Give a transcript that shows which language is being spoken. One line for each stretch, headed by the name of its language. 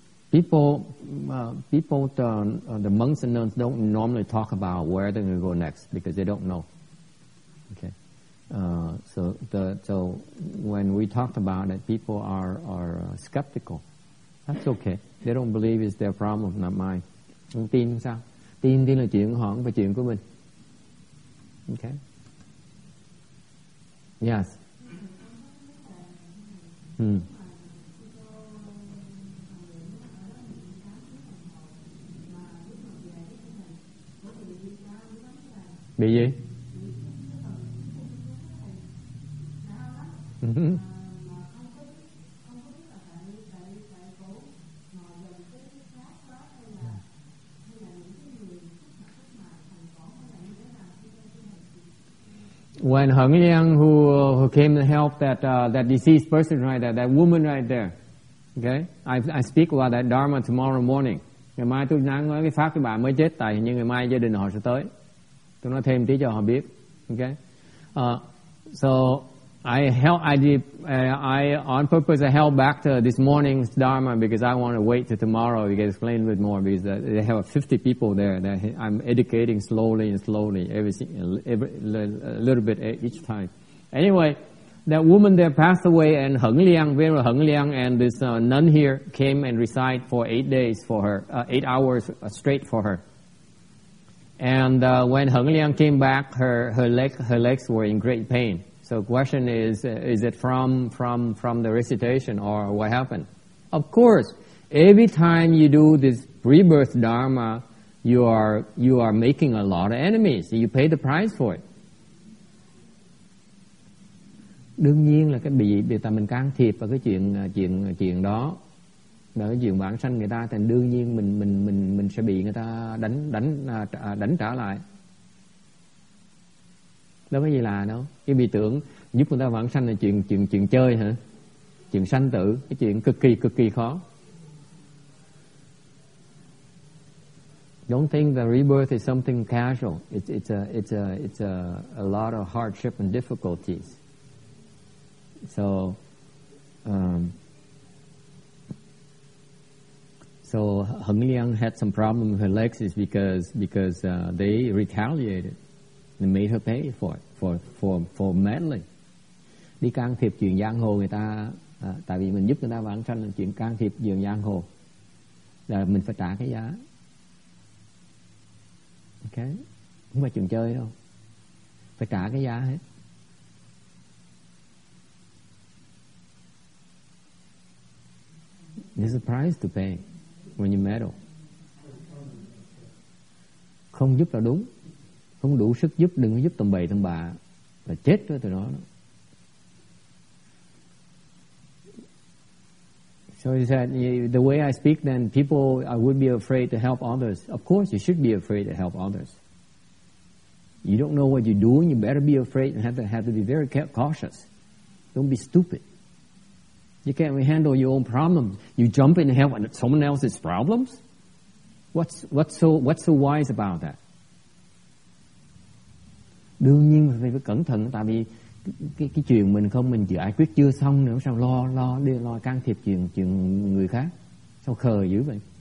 English: The monks and nuns don't normally talk about where they're going to go next because they don't know. Okay. So when we talked about it, people are skeptical. That's okay. They don't believe it's their problem, not mine.
Vietnamese: Không tin sao? Tin là chuyện họ, không phải chuyện của mình.
English: Okay. Yes.
Vietnamese: Bị gì?
English: When Heng Liang, who came to help that deceased person right there, that woman right there, okay, I speak about that dharma tomorrow morning.
Vietnamese: Ngày mai tôi nói cái pháp cái bà mới chết, tại như ngày mai gia đình họ sẽ tới. Tôi nói thêm tí cho họ biết, okay.
English: So I on purpose helped back to this morning's dharma because I want to wait till tomorrow to get explained a bit more because they have 50 people there that I'm educating slowly and slowly every a little bit each time. Anyway, that woman there passed away and Heng Liang and this nun here came and recite for 8 days for her, 8 hours straight for her. And when Heng Liang came back, her legs were in great pain. So the question is it from the recitation or what happened? Of course, every time you do this rebirth dharma, you are making a lot of enemies. You pay the price for it.
Vietnamese: Đương nhiên là cái bị tâm mình can thiệp vào cái chuyện đó, đó cái chuyện bản sanh người ta, thì đương nhiên mình sẽ bị người ta đánh trả lại. Đó có gì là đâu. Cái bị tưởng giúp người ta vãng sanh là chuyện chơi hả? Chuyện sanh tử, cái chuyện cực kỳ khó.
English: Don't think the rebirth is something casual. It's a lot of hardship and difficulties. So Heng Liang had some problem with her legs because they retaliated and made her pay for it. For meddling.
Vietnamese: Đi can thiệp chuyện giang hồ người ta, tại vì mình giúp người ta vãng sanh là chuyện can thiệp chuyện giang hồ, là mình phải trả cái giá. Ok, không phải chuyện chơi đâu, phải trả cái giá hết.
English: There's a price to pay when you meddle.
Vietnamese: Không giúp là đúng, không đủ sức giúp, đừng có giúp tầm bậy tầm bạ là chết thôi từ đó.
English: So he said, the way I speak, then people, I would be afraid to help others. Of course, you should be afraid to help others. You don't know what you're doing. You better be afraid and have to be very cautious. Don't be stupid. You can't handle your own problems. You jump in and help someone else's problems. What's so wise about that?
Vietnamese: đương nhiên mình phải cẩn thận, tại vì cái chuyện mình không mình giải quyết chưa xong nữa, sao lo can thiệp chuyện người khác, sao khờ dữ vậy.